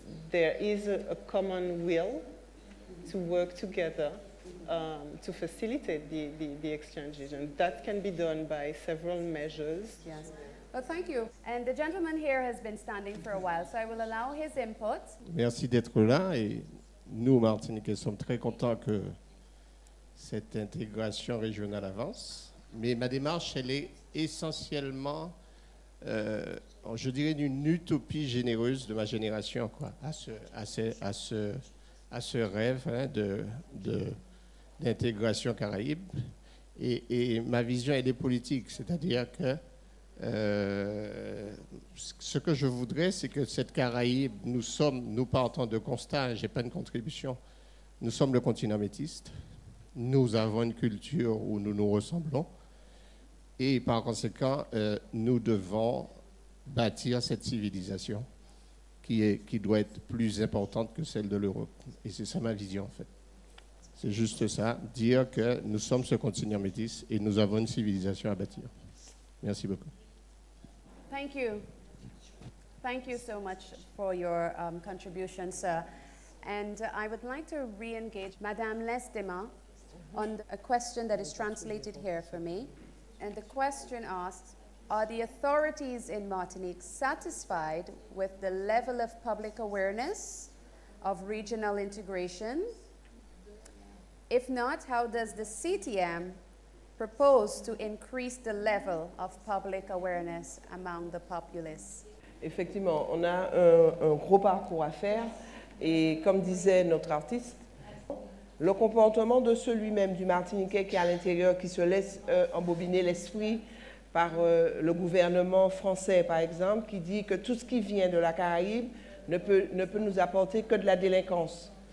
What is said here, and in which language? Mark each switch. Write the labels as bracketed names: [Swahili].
[English] There is a common will to work together to facilitate the exchanges, and that can be done by several measures. Yes. Well, thank you. And the gentleman here has been standing for a while, so I will allow his input. [French] Merci d'être là, et nous, Martiniquais, sommes très contents que cette intégration régionale avance. Mais ma démarche, elle est essentiellement je dirais, d'une utopie généreuse de ma génération, quoi, à ce rêve, hein, d'intégration caraïbe. Et ma vision, elle est politique, c'est-à-dire que ce que je voudrais, c'est que cette Caraïbe, nous partons de constat, j'ai pas de contribution, nous sommes le continent métiste, nous avons une culture où nous nous ressemblons, et par conséquent, nous devons bâtir cette civilisation qui doit être plus importante que celle de l'Europe. Et c'est ça ma vision, en fait. C'est juste ça, dire que nous sommes ce continent métis et nous avons une civilisation à bâtir. Merci beaucoup. [English] Thank you. Thank you so much for your contribution, sir. And I would like to re-engage Madame Lesdema on a question that is translated here for me. And the question asks, are the authorities in Martinique satisfied with the level of public awareness of regional integration? If not, how does the CTM propose to increase the level of public awareness among the populace? [French] Effectivement, on a un gros parcours à faire. Et comme disait notre artiste, le comportement de celui-même, du Martiniquais qui est à l'intérieur, qui se laisse embobiner l'esprit par le gouvernement français, par exemple, qui dit que tout ce qui vient de la Caraïbe ne peut nous apporter que de la délinquance.